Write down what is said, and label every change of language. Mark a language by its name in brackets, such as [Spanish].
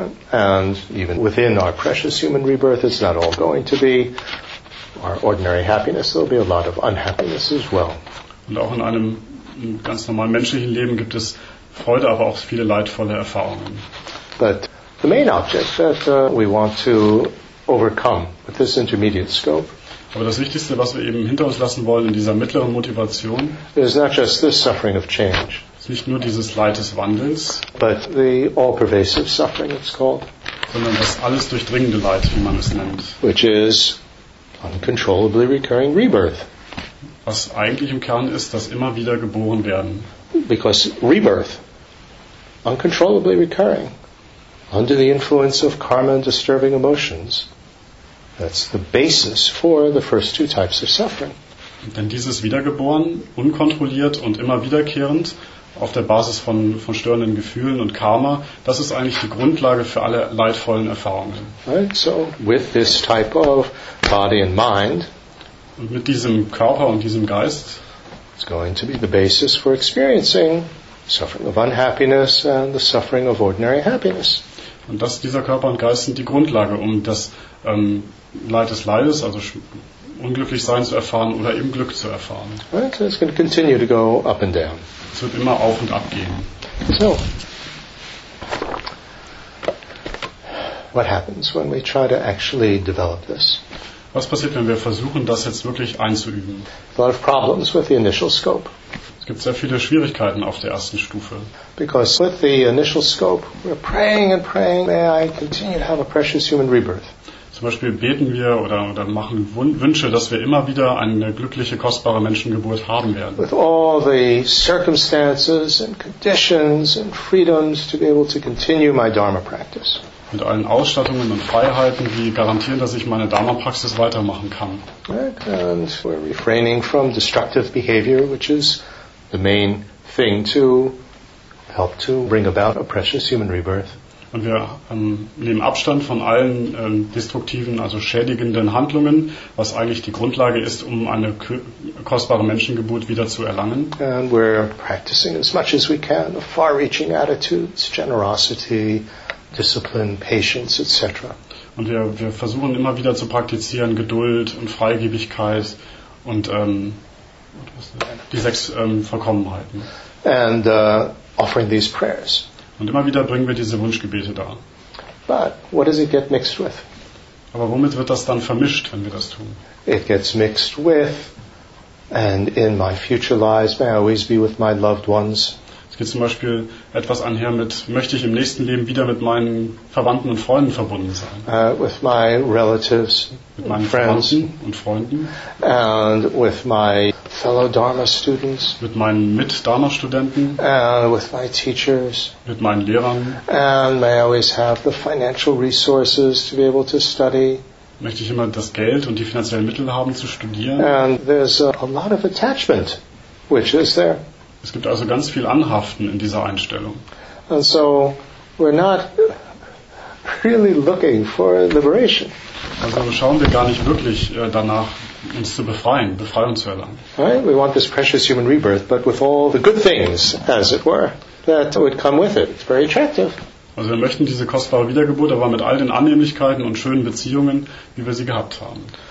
[English] And even within our precious human rebirth, it's not all going to be our ordinary happiness. There'll be a lot of unhappiness as well. [German] Und auch in einem ganz normalen menschlichen Leben gibt es Freude, aber auch viele leidvolle Erfahrungen. [English] But the main object that we want to overcome with this intermediate scope. [German] Aber das Wichtigste, was wir eben hinter uns lassen wollen in dieser mittleren Motivation, [English] is not just this suffering of change. [German] Nicht nur dieses Leid des Wandels, [English] but the all-pervasive suffering, it's called, [German] sondern das alles durchdringende Leid, wie man es nennt, [English] which is uncontrollably recurring rebirth. [German] Was eigentlich im Kern ist, dass immer wieder geboren werden. [English] Because rebirth, uncontrollably recurring, under the influence of karma and disturbing emotions, that's the basis for the first two types of suffering. [German] Denn dieses Wiedergeboren, unkontrolliert und immer wiederkehrend, auf der Basis von störenden Gefühlen und Karma, das ist eigentlich die Grundlage für alle leidvollen Erfahrungen. [English] Right, so with this type of body and mind, [German] und mit diesem Körper und diesem Geist, [English] it's going to be the basis for experiencing suffering of unhappiness and the suffering of ordinary happiness. [German] Und das, dieser Körper und Geist sind die Grundlage, um das Leid des Leides, also unglücklich sein zu erfahren oder eben Glück zu erfahren. [English] Right, so it's going to continue to go up and down. [German] Es wird immer auf und ab gehen. [English] So, what happens when we try to actually develop this? [German] Was passiert, wenn wir versuchen, das jetzt wirklich einzuüben? [English] A lot of problems with the initial scope. [German] Es gibt sehr viele Schwierigkeiten auf der ersten Stufe. [English] Because with the initial scope, we're praying and praying, may I continue to have a precious human rebirth. [German] Zum Beispiel beten wir oder machen Wünsche, dass wir immer wieder eine glückliche, kostbare Menschengeburt haben werden. [English] With all the circumstances and conditions and freedoms to be able to continue my Dharma practice. [German] Mit allen Ausstattungen und Freiheiten, die garantieren, dass ich meine Dharma-Praxis weitermachen kann. [English] And we're refraining from destructive behavior, which is the main thing to help to bring about a precious human rebirth. [German] Und wir nehmen Abstand von allen destruktiven, also schädigenden Handlungen, was eigentlich die Grundlage ist, um eine kostbare Menschengeburt wieder zu erlangen. [English] And we're practicing as much as we can of far-reaching attitudes, generosity, discipline, patience, etc. [German] Und wir versuchen immer wieder zu praktizieren Geduld und Freigebigkeit und die sechs Vollkommenheiten. [English] And offering these prayers. [German] Und immer wieder bringen wir diese Wunschgebete dar. [English] But what does it get mixed with? [German] Aber womit wird das dann vermischt, wenn wir das tun? [English] It gets mixed with, and in my future lives may I always be with my loved ones. [German] geht zum Beispiel etwas einher mit, möchte ich im nächsten Leben wieder mit meinen Verwandten und Freunden verbunden sein? [English] With my relatives, [German] mit meinen Verwandten und Freunden. [English] And with my fellow Dharma students. [German] Mit meinen Mit-Dharma-Studenten. [English] With my teachers. [German] Mit meinen Lehrern. [English] And may I always have the financial resources to be able to study. [German] Möchte ich immer das Geld und die finanziellen Mittel haben, zu studieren? [English] And there's a lot of attachment, which is there. [German] Es gibt also ganz viel Anhaften in dieser Einstellung. [English] And so we're not really looking for liberation. [German] Also schauen wir gar nicht wirklich danach, uns zu befreien, Befreiung zu erlangen. [English] Right? We want this precious human rebirth, but with all the good things, as it were, that would come with it. It's very attractive. [German] Also wir möchten diese kostbare Wiedergeburt, aber mit all den Annehmlichkeiten und schönen Beziehungen, wie wir sie gehabt haben.